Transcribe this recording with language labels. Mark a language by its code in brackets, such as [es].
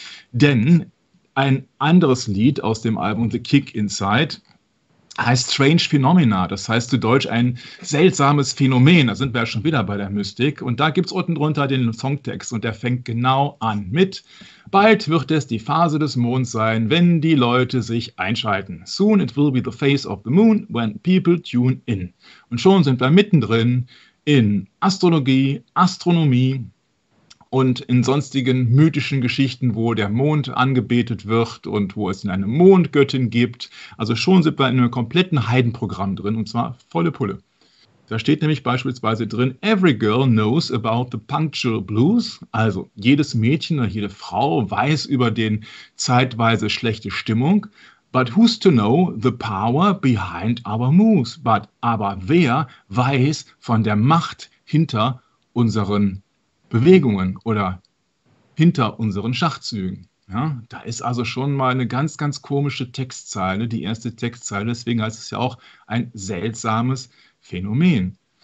[de] Denn ein anderes Lied aus dem Album The Kick Inside heißt Strange Phenomena, das heißt zu Deutsch ein seltsames Phänomen. Da sind wir ja schon wieder bei der Mystik. Und da gibt es unten drunter den Songtext und der fängt genau an mit Bald wird es die Phase des Monds sein, wenn die Leute sich einschalten. [en] Soon it will be the phase of the moon when people tune in. [de] Und schon sind wir mittendrin in Astrologie, Astronomie und in sonstigen mythischen Geschichten, wo der Mond angebetet wird und wo es eine Mondgöttin gibt. Also schon sind wir in einem kompletten Heidenprogramm drin, und zwar volle Pulle. Da steht nämlich beispielsweise drin, [en] Every girl knows about the punctual blues. [de] Also jedes Mädchen oder jede Frau weiß über den zeitweise schlechte Stimmung. [en] But who's to know the power behind our moves? [de] Aber wer weiß von der Macht hinter unseren Bewegungen oder hinter unseren Schachzügen. Ja, da ist also schon mal eine ganz, ganz komische Textzeile, die erste Textzeile, deswegen heißt es ja auch ein seltsames Phänomen.